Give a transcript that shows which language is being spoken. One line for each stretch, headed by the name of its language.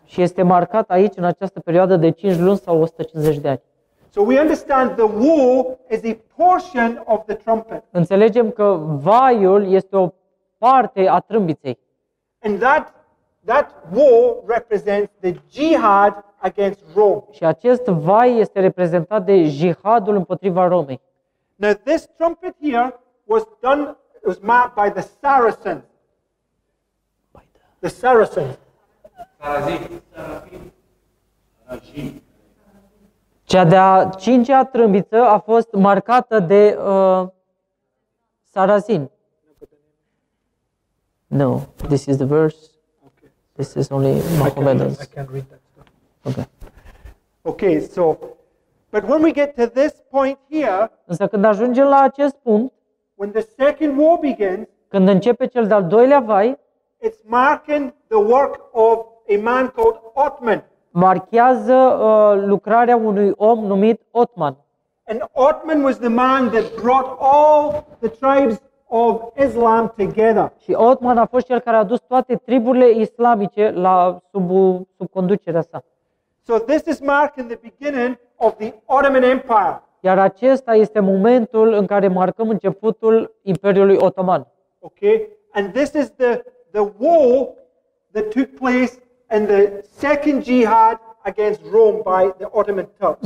Romanian: Și este marcat aici în această perioadă de 5 luni sau 150 de ani.
English: So we understand the woe is a portion of the trumpet.
Romanian: Înțelegem că vaiul este o parte a trâmbiței.
English: And that woe represents the jihad against Rome.
Romanian: Și acest vai este reprezentat de jihadul împotriva Romei.
English: Now this trumpet here was done, it was marked by the Saracen. The Saracen.
Romanian: Cea de-a cincea trâmbiță a fost marcată de Sarazin.
English: No, this is the verse. Okay. This is only Mohammedans. I can't read that stuff. Okay. Okay, so but when we get to this point here,
Romanian: însă când ajungem la acest punct,
English: when the second war begins,
Romanian: când începe cel de-al doilea vai,
English: it's marking the work of a man called Othman.
Romanian: Marchează lucrarea unui om numit Othman.
English: And Othman was the man that brought all the tribes of Islam together.
Romanian: Și Othman a fost cel care a adus toate triburile islamice la sub conducerea sa.
English: So this is marking the beginning of the Ottoman Empire.
Romanian: Iar acesta este momentul în care marcăm începutul Imperiului Otoman.
English: Okay? And this is the war that took place and the second jihad against Rome by the Ottoman Turks.